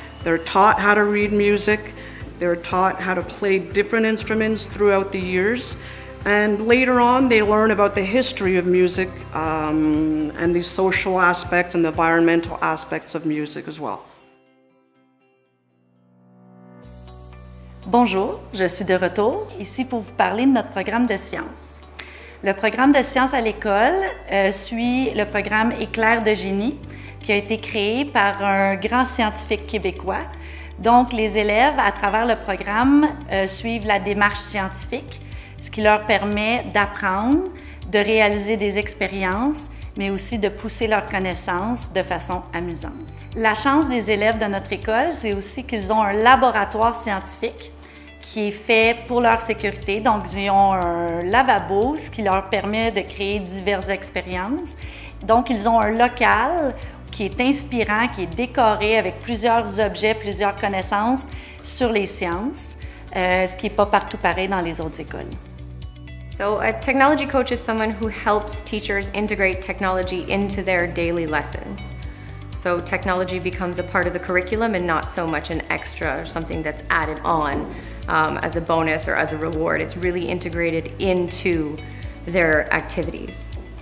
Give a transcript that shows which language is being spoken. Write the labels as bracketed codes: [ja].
[en] They're taught how to read music. They're taught how to play different instruments throughout the years. And later on, they learn about the history of music and the social aspects and the environmental aspects of music as well. [fr] Bonjour, je suis de retour ici pour vous parler de notre programme de sciences. Le programme de sciences à l'école suit le programme Éclair de génie qui a été créé par un grand scientifique québécois. Donc, les élèves, à travers le programme, suivent la démarche scientifique, ce qui leur permet d'apprendre, de réaliser des expériences, mais aussi de pousser leurs connaissances de façon amusante. La chance des élèves de notre école, c'est aussi qu'ils ont un laboratoire scientifique qui est fait pour leur sécurité. Donc, ils ont un lavabo, ce qui leur permet de créer diverses expériences. Donc, ils ont un local qui est inspirant, qui est décoré avec plusieurs objets, plusieurs connaissances sur les sciences. Ce qui n'est pas partout pareil dans les autres écoles. [en] So a technology coach is someone who helps teachers integrate technology into their daily lessons. So technology becomes a part of the curriculum and not so much an extra or something that's added on as a bonus or as a reward. It's really integrated into their activities.